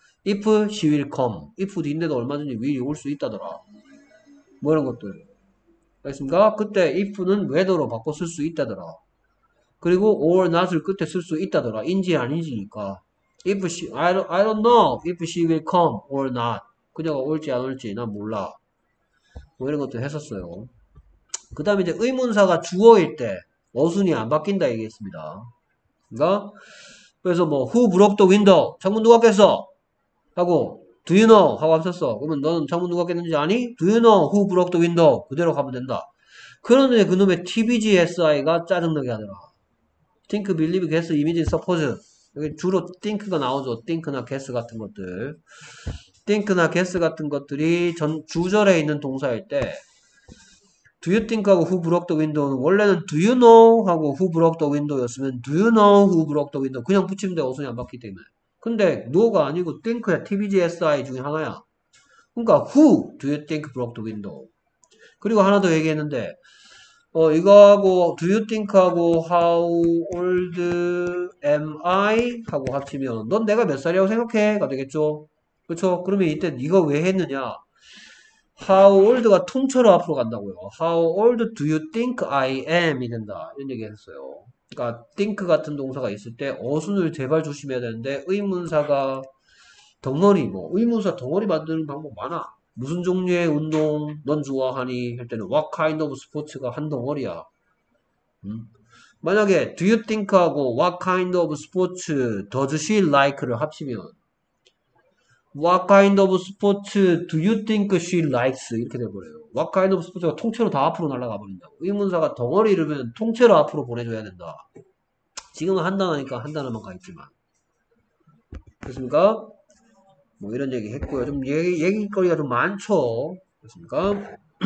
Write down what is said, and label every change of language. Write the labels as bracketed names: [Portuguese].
[English] If she will come. [Korean] If 뒤인데도 얼마든지 will이 올수 있다더라. 뭐 이런 것들. 알겠습니까? 그때 if는 whether로 바꿔 쓸수 있다더라. 그리고 or not을 끝에 쓸수 있다더라. 인지 아닌지니까. [English] If she, I don't know if she will come or not. [Korean] 그녀가 올지 안 올지 난 몰라. 뭐 이런 것도 했었어요. 그 다음에 이제 의문사가 주어일 때 어순이 안 바뀐다 얘기했습니다. 그러니까 그래서 뭐 [English] who broke the window? [Korean] 창문 누가 깼어? 하고 [English] do you know? [Korean] 하고 앞섰어. 그러면 너는 창문 누가 깼는지 아니? [English] do you know who broke the window? [Korean] 그대로 가면 된다. 그런데 그놈의 TBGSI가 짜증나게 하더라. [English] think, believe, guess, imagine, suppose. [Korean] 여기 주로 think가 나오죠. think나 guess 같은 것들. think나 guess 같은 것들이 전 주절에 있는 동사일 때 do you think하고 who broke the window는 원래는 do you know 하고 who broke the window였으면 [English] do you know who broke the window [Korean] 그냥 붙이면 돼. 어순이 안 바뀌기 때문에. 근데 no가 아니고 think야. TBGSI 중에 하나야. 그러니까 [English] who do you think broke the window. [Korean] 그리고 하나 더 얘기했는데 이거하고 do you think하고 [English] how old am I [Korean] 하고 합치면 넌 내가 몇 살이라고 생각해가 되겠죠. 그렇죠? 그러면 이때 네가 왜 했느냐? How old가 통째로 앞으로 간다고요. [English] How old do you think I am? [Korean] 이 된다. 이런 얘기 했어요. 그러니까 think 같은 동사가 있을 때 어순을 제발 조심해야 되는데 의문사가 덩어리 뭐 의문사 덩어리 만드는 방법 많아. 무슨 종류의 운동 넌 좋아하니? 할 때는 What kind of sports가 한 덩어리야. 만약에 [English] do you think하고 What kind of sports does she like를 [Korean] 합치면 [English] What kind of sports do you think she likes? [Korean] 이렇게 돼버려요. What kind of sports가 통째로 다 앞으로 날아가 버린다. 의문사가 덩어리를면 통째로 앞으로 보내줘야 된다. 지금은 한 단어니까 한 단어만 가 있지만. 그렇습니까? 뭐 이런 얘기 했고요. 좀 얘기거리가 좀 많죠. 그렇습니까?